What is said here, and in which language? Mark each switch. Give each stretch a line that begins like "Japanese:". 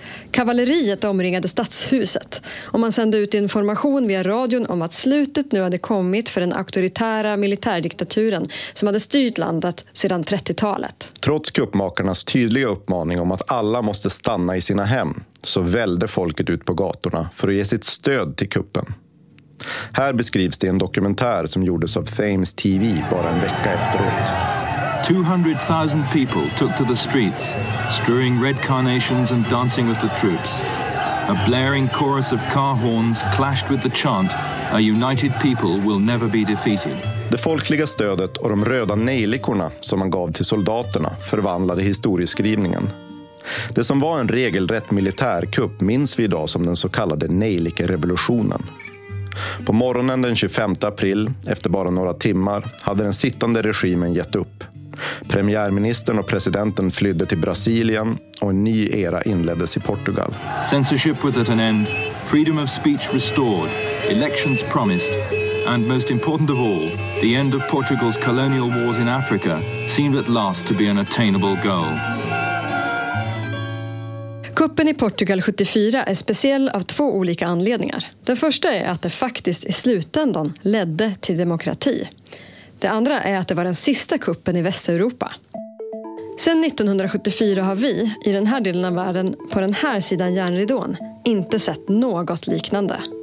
Swedish: Kavalleriet omringade stadshuset och man sände ut information via radion om att slutet nu hade kommit för den auktoritära militärdiktaturen som hade styrt landet sedan 30-talet. Trots kuppmakarnas tydliga uppmaning om att alla måste stanna i sina hem så välde folket ut på gatorna för att ge sitt stöd till kuppen. Här beskrivs det i en dokumentär som gjordes av Thames TV bara en vecka efteråt.
English: 200,000 people took to the streets, strewing red carnations and dancing with the troops. A blaring chorus of car horns clashed with the chant, "A united people will never be defeated."
Swedish: Det folkliga stödet och de röda nejlikorna som man gav till soldaterna förvandlade historieskrivningen. Det som var en regelrätt militärkupp minns vi idag som den så kallade nejlikerevolutionen. På morgonen den 25 april, efter bara några timmar, hade den sittande regimen gett upp. Premiärministern och presidenten flydde till Brasilien och en ny era inleddes i Portugal.
English: Censorship was at an end, freedom of speech restored, elections promised, and most important of all, the end of Portugal's colonial wars in Africa seemed at last to be an attainable goal.
Swedish: Kuppen i Portugal 74 är speciell av två olika anledningar. Den första är att det faktiskt i slutändan ledde till demokrati. Det andra är att det var den sista kuppen i Västeuropa. Sedan 1974 har vi, i den här delen av världen, på den här sidan järnridån, inte sett något liknande.